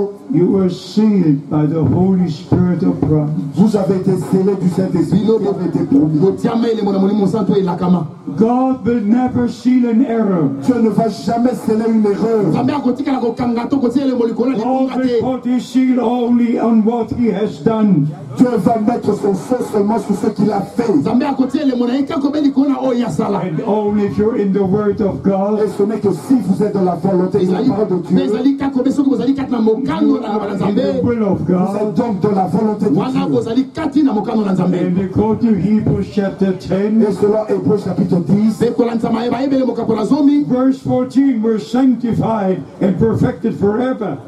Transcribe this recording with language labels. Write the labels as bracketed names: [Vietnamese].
[English] you were sealed by the Holy Spirit of God. [French] Vous avez été scellés du Saint-Esprit qui avait été promis. [English] God will never seal an error. [French] Dieu ne va jamais sceller une erreur. [English] God will put his seal only on what he has done. [French] Dieu va mettre son sceau seulement sur ce qu'il a fait. [English] And only if you're in the word of God. [French] Et ce n'est que si vous êtes dans la volonté de Dieu. [English] You are in the will of God. [French] Vous êtes donc dans la volonté de Dieu. [English] And according to Hebrews chapter 10. [French] Et selon Hébreux chapitre 10. [English] Verse 14, we're sanctified and perfected forever.